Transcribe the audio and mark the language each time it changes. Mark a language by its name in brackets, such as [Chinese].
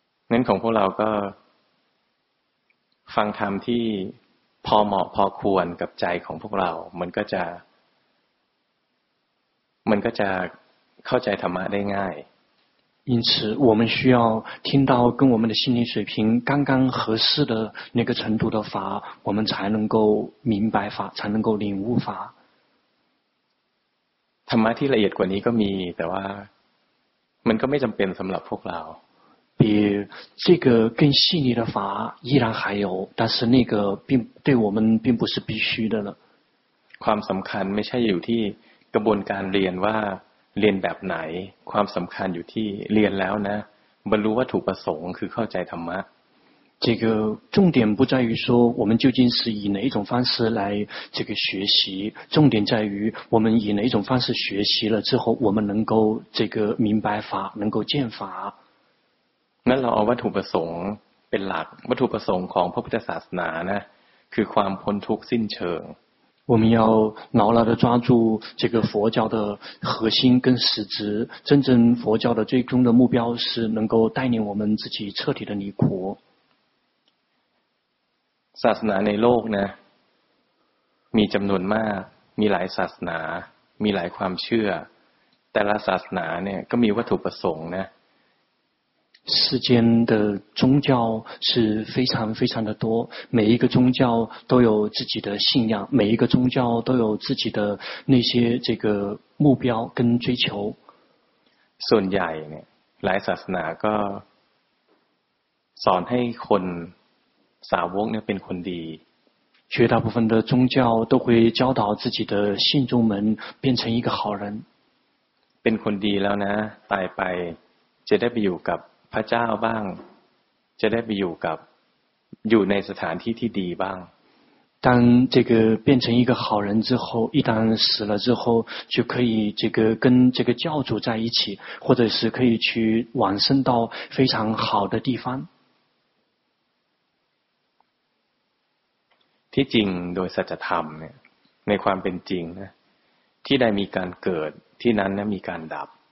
[Thai] งั้นของพวกเราก็ฟังธรรมที่พอเหมาะพอควรกับใจของพวกเรามันก็จะเข้าใจธรรมะได้ง่าย [Chinese] 因此我们需要听到跟我们的心灵水平刚刚合适的那个程度的法我们才能够明白法才能够领悟法 [Thai] ธรรมะที่ละเอียดกว่านี้ก็มีแต่ว่ามันก็ไม่จำเป็นสำหรับพวกเรา [Chinese] Be, 这个更细腻的法依然还有但是那个并对我们并不是必须的了 [Thai] ความสำคัญไม่ใช่อยู่ที่กระบวนการเรียนว่าเรียนแบบไหนความสำคัญอยู่ที่เรียนแล้วนะบรรลุวัตถุประสงค์คือเข้าใจธรรมะ [Chinese] 这个重点不在于说我们究竟是以哪一种方式来这个学习重点在于我们以哪一种方式学习了之后我们能够这个明白法能够见法 [Thai] นั่นเราเอาวัตถุประสงค์เป็นหลักวัตถุประสงค์ของพระพุทธศาสนานะคือความพ้นทุกข์สิ้นเชิง [Chinese] 我们要牢牢地抓住这个佛教的核心跟实质真正佛教的最终的目标是能够带领我们自己彻底的离苦 [Thai] ศาสนาในโลกนะมีจำนวนมากมีหลายศาสนามีหลายความเชื่อแต่ละศาสนาเนี่ยก็มีวัตถุประสงค์นะ [Chinese] 世间的宗教是非常非常的多每一个宗教都有自己的信仰每一个宗教都有自己的那些这个目标跟追求 [Thai] ส่วนใหญ่เนี่ยหลายศาสนาก็สอนให้คนสาวกเนี่ยเป็นคนดี [Chinese] 绝大部分的宗教都会教导自己的信众们变成一个好人 [Thai] เป็นคนดีแล้วนะตายไปจะได้ไปอยู่กับพระเจ้าบ้างจะได้ไปอยู่กับอยู่ในสถานที่ที่ดีบ้าง [Chinese] 当这个变成一个好人之后一旦死了之后就可以这个跟这个教主在一起或者是可以去往生到非常好的地方 [Thai] ที่จริงโดยสัจธรรมเนี่ยในความเป็นจริงนะที่ได้มีการเกิดที่นั้นนะมีการดับ